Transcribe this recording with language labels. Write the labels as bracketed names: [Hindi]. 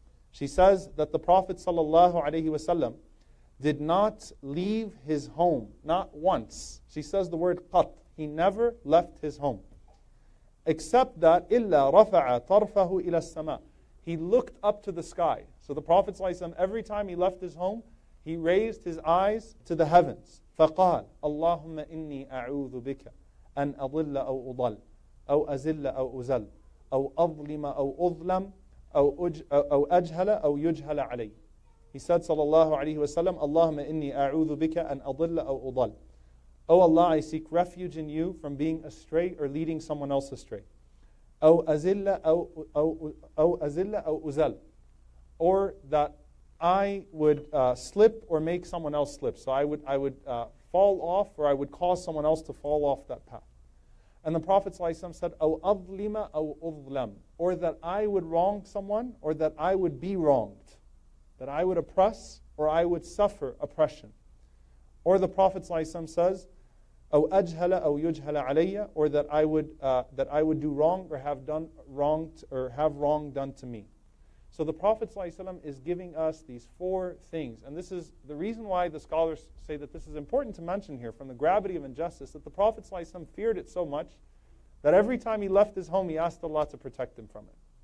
[English] She says that the Prophet ﷺ did not leave his home, not once. She says the word qat. He never left his home. Except that, [Arabic] illa rafa'a tarfahu ila sama. [English] He looked up to the sky. So the Prophet ﷺ, every time he left his home, he raised his eyes to the heavens. [Arabic] فقال اللهم إني أعوذ بك أن أضل أو أضل أو أزل أو أزل أو أظلم أو أظلم أو أجهل أو يجهل علي. [English] He said [Arabic] sallallahu alayhi wa sallam, اللهم إني أعوذ بك أن أضل أو أضل. [English] Oh Allah, I seek refuge in you from being astray or leading someone else astray. [Arabic] أو أزل أو أزل أو أزل. [English] Or that I would slip or make someone else slip. So I would fall off, or I would cause someone else to fall off that path. And the Prophet ﷺ said, [Arabic] أو أظلم أو أظلم. [English] Or that I would wrong someone, or that I would be wronged. That I would oppress, or I would suffer oppression. Or the Prophet ﷺ says, [Arabic] أو أجهل أو يجهل علي. [English] Or that I would do wrong, or have wrong done to me. So the Prophet ﷺ is giving us these four things. And this is the reason why the scholars say that this is important to mention here from the gravity of injustice, that the Prophet ﷺ feared it so much that every time he left his home, he asked Allah to protect him from it.